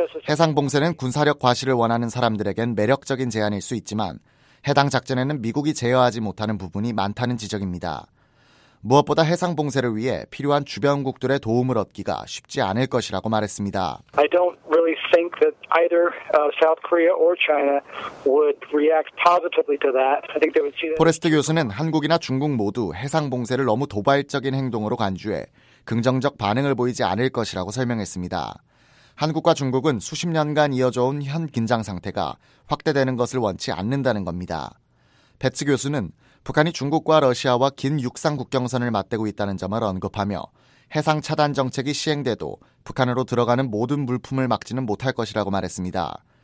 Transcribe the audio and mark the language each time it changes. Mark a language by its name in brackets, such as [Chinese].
[Korean] 해상 봉쇄는 군사력 과시를 원하는 사람들에겐 매력적인 제안일 수 있지만 해당 작전에는 미국이 제어하지 못하는 부분이 많다는 지적입니다. 무엇보다 해상 봉쇄를 위해 필요한 주변국들의 도움을 얻기가 쉽지 않을 것이라고 말했습니다. [English] I don't really think that either South Korea or China would react positively to that. I think they would see that. [Korean] 포레스트 교수는 한국이나 중국 모두 해상 봉쇄를 너무 도발적인 행동으로 간주해 긍정적 반응을 보이지 않을 것이라고 설명했습니다. 한국과 중국은 수십 년간 이어져온 현 긴장 상태가 확대되는 것을 원치 않는다는 겁니다. 베츠 교수는 북한이 중국과 러시아와 긴 육상 국경선을 맞대고 있다는 점을 언급하며 해상 차단 정책이 시행돼도 북한으로 들어가는 모든 물품을 막지는 못할 것이라고 말했습니다.